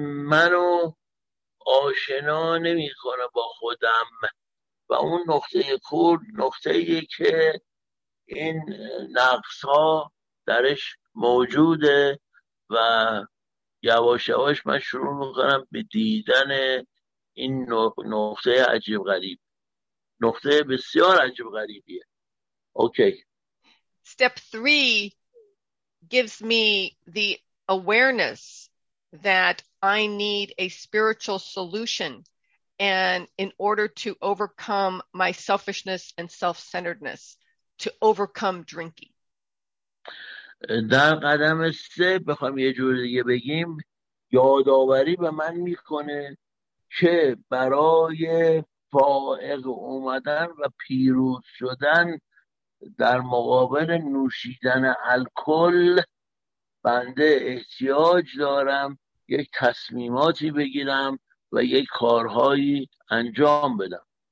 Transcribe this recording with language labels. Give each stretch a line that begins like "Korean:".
Persian: منو آشنا نمی کنه با خودم و اون نقطه کور نقطه ایه که این نقص ها درش موجوده و یواش یواش من شروع میکنم به دیدن این نقطه عجیب غریب، نقطه بسیار عجیب غریبیه. اوکی.
English: Step 3 gives me the awareness that I need a spiritual solution and in order to overcome my selfishness and self-centeredness to overcome drinking.
Persian: در قدم 3 بخوام یه جور دیگه بگیم، یادآوری به من میکنه که برای فائق اومدن و پیروز شدن در مقابل نوشیدن الکل بنده احتیاج دارم یک تصمیماتی بگیرم و یک کارهایی انجام بدم.